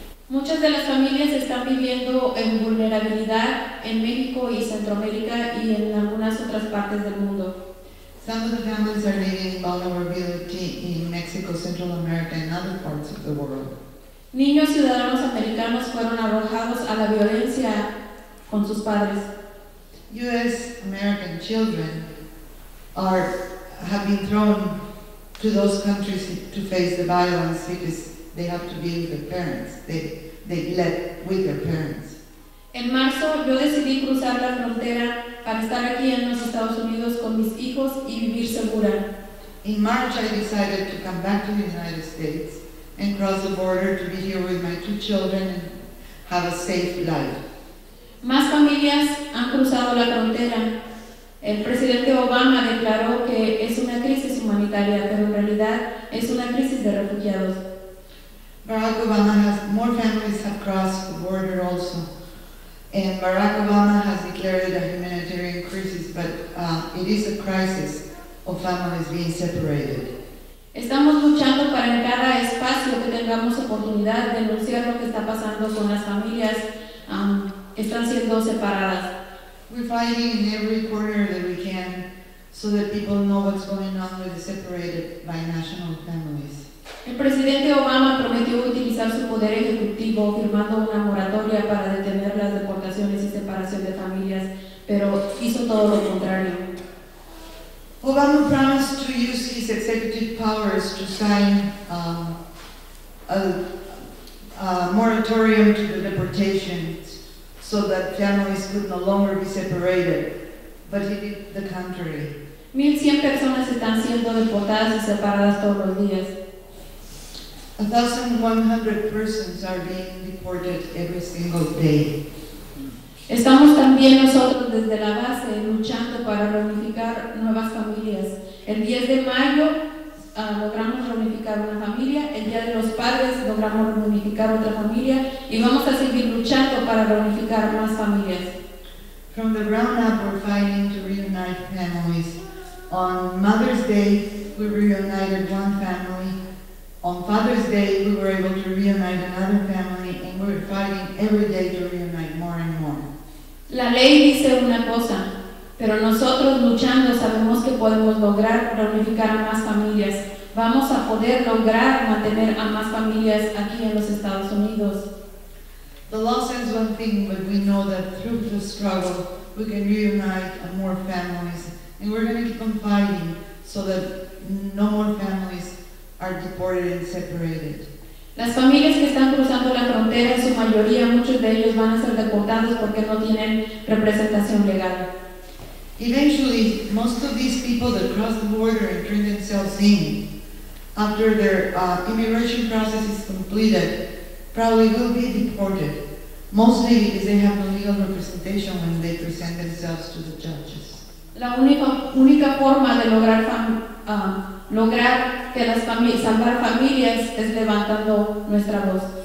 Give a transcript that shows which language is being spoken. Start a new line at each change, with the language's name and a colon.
Spanish: Muchas de las familias están viviendo en vulnerabilidad en México y Centroamérica y en algunas otras partes del mundo.
English: Some of the families are living in vulnerability in Mexico, Central America, and other parts of the world.
Spanish: Niños ciudadanos americanos fueron arrojados a la violencia con sus padres.
English: U.S. American children have been thrown to those countries to face the violence because they have to be with their parents. They live with their parents.
Spanish: En marzo, yo decidí cruzar la frontera para estar aquí en los Estados Unidos con mis hijos y vivir segura.
English: In March, I decided to come back to the United States and cross the border to be here with my two children and have a safe life.
Spanish: Más familias han cruzado la frontera. El presidente Obama declaró que es una crisis humanitaria, pero en realidad es una crisis de refugiados.
English: Barack Obama has, more families have crossed the border also. And Barack Obama has declared it a humanitarian crisis, but it is a crisis of families being separated.
Spanish: Estamos luchando para en cada espacio que tengamos oportunidad de denunciar lo que está pasando con las familias que están siendo separadas.
English: We're fighting in every corner that we can so that people know what's going on with the separated by national families.
Spanish: El presidente Obama prometió utilizar su poder ejecutivo firmando una moratoria para detener las deportaciones y separación de familias, pero hizo todo lo contrario.
English: Obama promised to use his executive powers to sign a moratorium to the deportations so that families could no longer be separated, but he did the contrary.
Spanish: 1,100 personas están siendo deportadas y separadas todos los días.
English: 1,100 persons are being deported every single day.
Spanish: Estamos también nosotros desde la base luchando para reunificar nuevas familias. El 10 de mayo logramos reunificar una familia, el Día de los Padres logramos reunificar otra familia y vamos a seguir luchando para reunificar más familias.
English: From the ground up, we're fighting to reunite families. On Mother's Day, we reunited one family. On Father's Day, we were able to reunite another family, and we're fighting every day to reunite more and more.
Spanish: La ley dice una cosa, pero nosotros luchando sabemos que podemos lograr reunificar a más familias. Vamos a poder lograr mantener a más familias aquí en los Estados Unidos.
English: The law says one thing, but we know that through the struggle, we can reunite more families. And we're going to keep on fighting so that no more families are deported and separated.
Spanish: Las familias que están cruzando la frontera, en su mayoría, muchos de ellos van a ser deportados porque no tienen representación legal.
English: Eventually, most of these people that cross the border and turn themselves in, after their immigration process is completed, probably will be deported, mostly because they have no legal representation when they present themselves to the judges.
Spanish: La única forma de lograr lograr que las familias, salvar familias, es levantando nuestra voz.